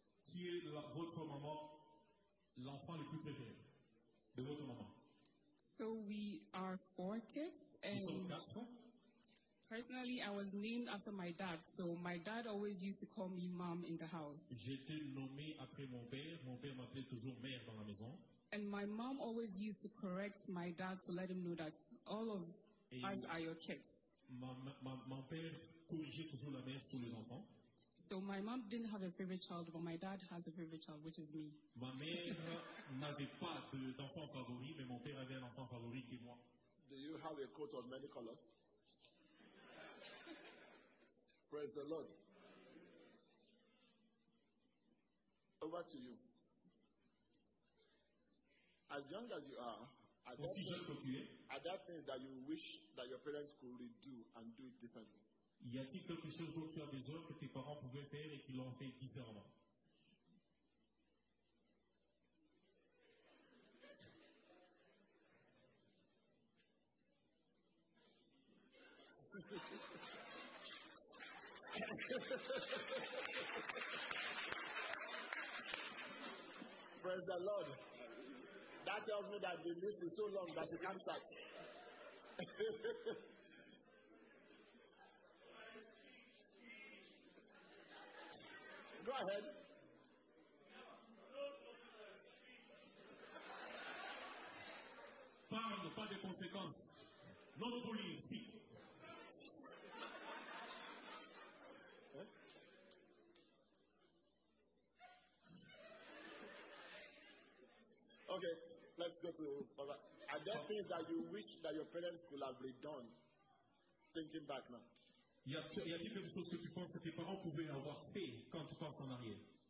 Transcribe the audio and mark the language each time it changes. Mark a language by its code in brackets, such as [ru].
[fr] Qui est votre maman, l'enfant le plus préféré de votre maman? [en] So we are four kids. And [fr] nous sommes quatre. [en] Personally, I was named after my dad, so my dad always used to call me mom in the house. [fr] J'étais nommé après mon père m'appelait toujours mère dans la maison. [en] And my mom always used to correct my dad to let him know that all of us are your kids. [fr] Mon père corrigeait toujours la mère sur les enfants. [en] So my mom didn't have a favorite child, but my dad has a favorite child, which is me. [fr] Ma mère n'avait pas d'enfant favori, mais mon père avait un enfant favori qui est moi. [en] Do you have a coat of many colors? Praise the Lord. Over to you. As young as you are, are there things that you wish that your parents could redo and do it differently? [fr] Y a-t-il quelque chose dont tu as besoin que tes parents pouvaient faire et qu'ils l'ont fait différemment? [en] Praise the Lord. That tells me that the list is so long that you can't start. Go ahead. [fr] Parle, pas de conséquences. Non, [en] bullying, speak. Okay, let's go to Baba. Are there things that you wish that your parents could have redone? Thinking back now. [fr] Y a-t-il quelque chose que tu penses que tes parents pouvaient avoir fait quand tu penses en arrière?